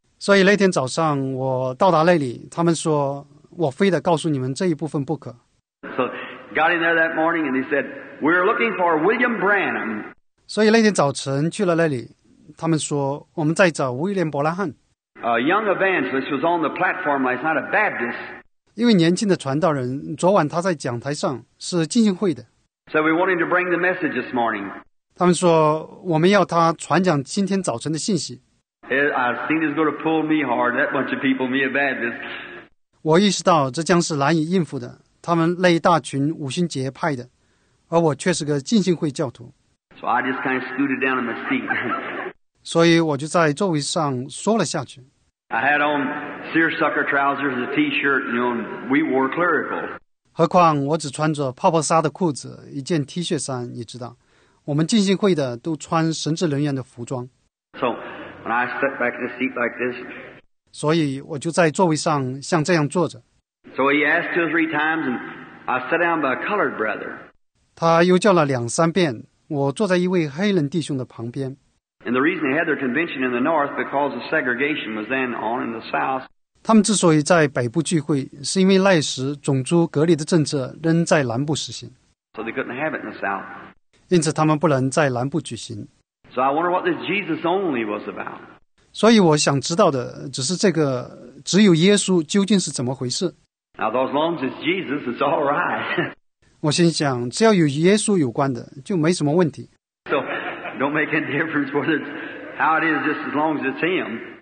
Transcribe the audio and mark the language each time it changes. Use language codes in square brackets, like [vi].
[zh] 所以那天早上我到达那里，他们说我非得告诉你们这一部分不可。 [en] So got in there that morning and he said. We're looking for William Branham. [zh] 所以那天早晨去了那里，他们说我们在找威廉·伯拉罕。 [en] A young evangelist was on the platform last night, a Baptist. [zh] 因为年轻的传道人昨晚他在讲台上是浸信会的。 [en] So we wanted to bring the message this morning. [zh] 他们说我们要他传讲今天早晨的信息。 [en] I think it's going to pull me hard, that bunch of people, me a Baptist. [zh] 我意识到这将是难以应付的，他们那一大群五旬节派的。而我却是个浸信会教徒。 [en] So I just kind of scooted down in my seat. [zh] 所以我就在座位上缩了下去。 [en] I had on seersucker trousers and a T-shirt, you know, and we wore clerical. [zh] 何况我只穿着泡泡纱的裤子，一件 T 恤衫，你知道，我们浸信会的都穿神职人员的服装。 [en] So when I stepped back in the seat like this. [zh] 所以我就在座位上像这样坐着。 [en] So he asked two or three times, and I sat down by a colored brother. [zh] 他又叫了两三遍，我坐在一位黑人弟兄的旁边。 [en] And the reason they had their convention in the north because the segregation was then on in the south. [zh] 他们之所以在北部聚会，是因为那时种族隔离的政策仍在南部实行。 [en] So they couldn't have it in the south. [zh] 因此他们不能在南部举行。 [en] So I wonder what this Jesus only was about. [zh] 所以我想知道的只是这个只有耶稣究竟是怎么回事。 [en] Now as long as it's Jesus, it's all right. [zh] 我心想，只要与耶稣有关的，就没什么问题。 [en] So, don't make any difference whether how it is, just as long as it's him.